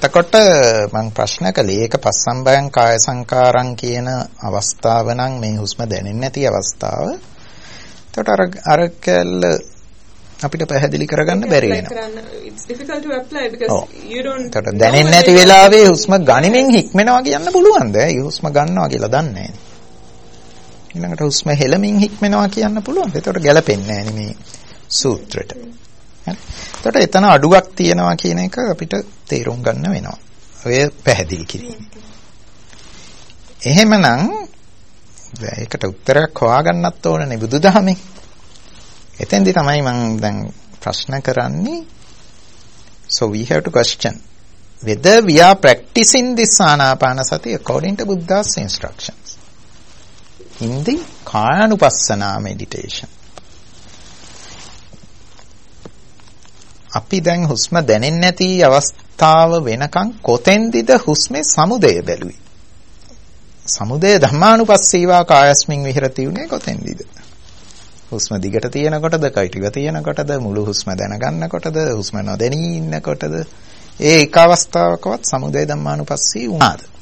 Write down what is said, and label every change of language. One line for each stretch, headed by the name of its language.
Sinhala: කරන්නේ. ඔව් එතකොට මම ප්‍රශ්න කළේ ඒක පස්සම්බයං කාය සංකාරං කියන අවස්ථාව නම් මේ හුස්ම දැනෙන්නේ නැති අවස්ථාව. එතකොට අර කැල්ල අපිට පැහැදිලි කරගන්න බැරි වෙනවා.
English: It's difficult to apply because you don't.
Sinhala: එතකොට දැනෙන්නේ නැති වෙලාවේ හුස්ම ගනිමින් හික්මෙනවා කියන්න පුළුවන්ද? ඒ හුස්ම ගන්නවා කියලා දන්නේ නැහැ නේ. ඊළඟට හුස්ම හෙළමින් හික්මෙනවා කියන්න පුළුවන්ද? එතකොට ගැලපෙන්නේ නැහැ නේ මේ සූත්‍රයට. හරි. එතකොට එතන අඩුවක් තියෙනවා කියන එක අපිට තේරුම් ගන්න වෙනවා. ඔය පැහැදිලි කිරීම. එහෙමනම් ඒකට උත්තරයක් හොයාගන්නත් ඕනේ නේ බුදුදහමේ. එතෙන්දි තමයි මම දැන් ප්‍රශ්න කරන්නේ.
English: So we have to question whether we are practicing this anapanasati according to Buddha's instructions in the kayanupassana meditation.
Sinhala: අපි දැන් හුස්ම දැනෙන්නේ නැති අවස්ථාව වෙනකන් කොතෙන්දද හුස්මේ සමුදය බැලුවේ? සමුදය ධම්මානුපස්සීවා කායස්මින් විහෙරති උනේ කොතෙන්දද? හුස්ම දිගට තියෙනකොටද කයිටිව තියෙනකොටද මුළු හුස්ම දැනගන්නකොටද හුස්ම නොදෙනී ඉන්නකොටද ඒ එක අවස්ථාවකවත් සමුදය ධම්මානුපස්සී වුණාද?